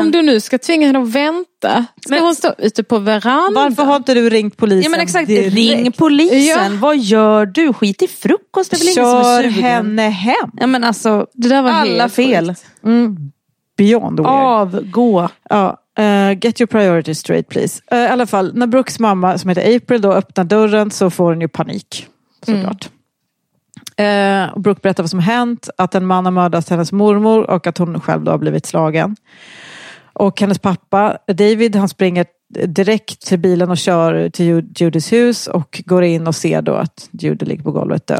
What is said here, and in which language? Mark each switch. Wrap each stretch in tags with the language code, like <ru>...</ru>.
<sv>Om du nu ska tvinga henne att vänta. Ska hon stå ute på verandan? Varför har inte du ringt polisen? Ja, men exakt. Direkt. Ring polisen. Ja. Vad gör du? Skit i frukost. Det är väl kör henne hem. Ja, men alltså, det där var alla fel. Avgå.</sv> <en>Ja, get your priorities straight please.</en> <sv>I alla fall, när Brooks mamma som heter April då öppnar dörren så får hon ju panik. Såklart. Brooke berättar vad som hänt. Att en man har mördat hennes mormor och att hon själv då har blivit slagen. Och hennes pappa David, han springer direkt till bilen och kör till Judys hus och går in och ser då att Judy ligger på golvet död.</sv>